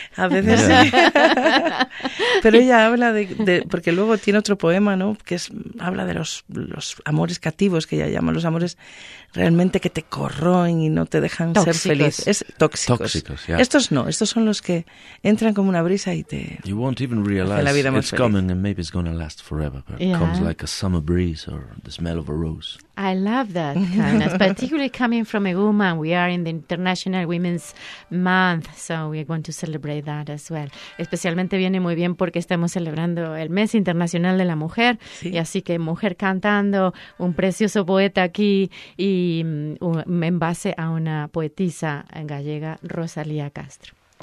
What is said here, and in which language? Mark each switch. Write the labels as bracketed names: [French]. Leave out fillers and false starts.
[Spanish] A veces sí. Pero ella habla de. Porque luego tiene otro poema, ¿no? Que habla de los amores cativos, que ella llama los amores realmente que te corroen y no te dejan tóxicos. Ser feliz. Es tóxicos. [English] Yeah. [Spanish] Estos no. Estos son los que entran como una brisa y te. [English] You won't even realize it's coming and maybe it's going to last forever. But it comes like a summer breeze or the smell of a rose. I love that, kind of, particularly coming from a woman. We are in the International Women's Month, so we're going to celebrate that as well. [Spanish] Especialmente viene muy bien porque estamos celebrando el Mes Internacional de la Mujer, sí. Y así que mujer cantando, un precioso poeta aquí, y en base a una poetisa gallega, Rosalía Castro.